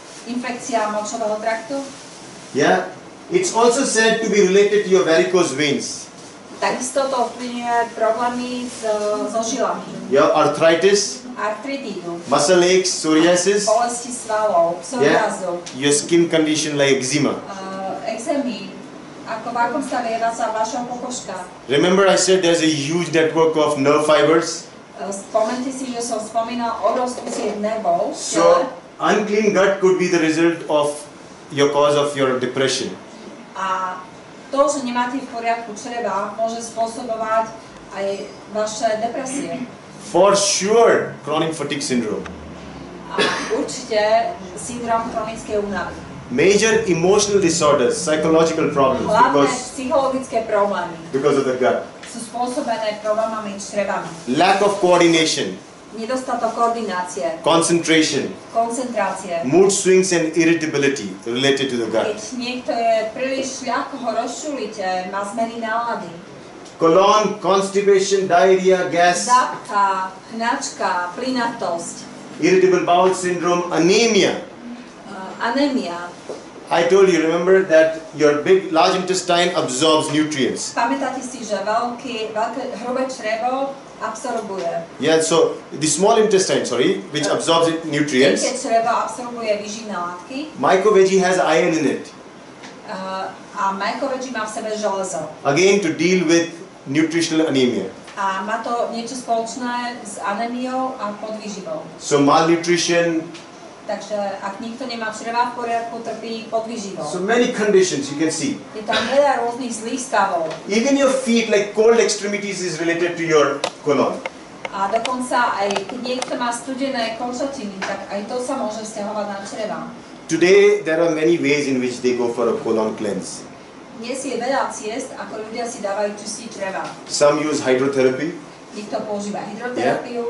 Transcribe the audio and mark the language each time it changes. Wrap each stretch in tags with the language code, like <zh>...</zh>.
<sk>Infekcia močového traktu.</sk> <en>Yeah. It's also said to be related to your varicose veins.</en> <sk>Takisto to ovplyvňuje problémy so žilami.</sk> <en>Yeah, arthritis.</en> <sk>Arthritidum.</sk> <en>Muscle aches, psoriasis.</en> <sk>Bolesti svalov, psoriazu.</sk> <en>Yeah, your skin condition like eczema.</en> <sk>Eczemy. Ako v akom stave je vaša pokožka.</sk> <en>Remember I said there's a huge network of nerve fibers.</en> <sk>Spomnite si, že som spomínal obrovskú sieť nervov.</sk> <en>So, unclean gut could be the result of your cause of your depression.</en> <sk>A to, že nemáte v poriadku čreba, môže spôsobovať aj vaše depresie.</sk> <en>For sure, chronic fatigue syndrome.</en> <sk>A určite syndrom chronickej únavy.</sk> <en>Major emotional disorders, psychological problems.</en> <sk>Hlavné</sk> <en>because</en> <sk>psychologické problémy.</sk> <en>Because of the gut.</en> <sk>Sú spôsobené problémami črevami.</sk> <en>Lack of coordination.</en> <sk>Nedostatok koordinácie.</sk> <en>Concentration.</en> <sk>Koncentrácie.</sk> <en>Mood swings and irritability related to the gut.</en> <sk>Keď niekto je príliš ľahko rozčulite, má zmeny nálady.</sk> <en>Colon, constipation, diarrhea, gas.</en> <sk>Zápcha, hnačka, plynatosť.</sk> <en>Irritable bowel syndrome, anemia.</en> <sk>Anemia.</sk> <en>I told you, remember that your big large intestine absorbs nutrients.</en> <sk>Pamätáte si, že veľké hrubé črevo absorbuje.</sk> <en>Yeah, so the small intestine, sorry, which absorbs nutrients.</en> <sk>Veľké črevo absorbuje výživné látky.</sk> <en>MycoVeggie has iron in it.</en> <sk>A MycoVeggie má v sebe železo.</sk> <en>Again to deal with nutritional anemia.</en> <sk>A má to niečo spoločné s anémiou a podvýživou.</sk> <en>So malnutrition.</en> <sk>Takže ak nikto nemá čreva v poriadku, trpí podvýživou.</sk> <en>So many conditions you can see.</en> <sk>Je tam veľa rôznych zlých stavov.</sk> <en>Even your feet like cold extremities is related to your colon.</en> <sk>A dokonca aj keď niekto má studené končatiny, tak aj to sa môže vzťahovať na čreva.</sk> <en>Today there are many ways in which they go for a colon cleanse.</en> <sk>Dnes je veľa ciest, ako ľudia si dávajú čistiť čreva.</sk> <en>Some use hydrotherapy.</en> <sk>Niekto používa hydroterapiu.</sk>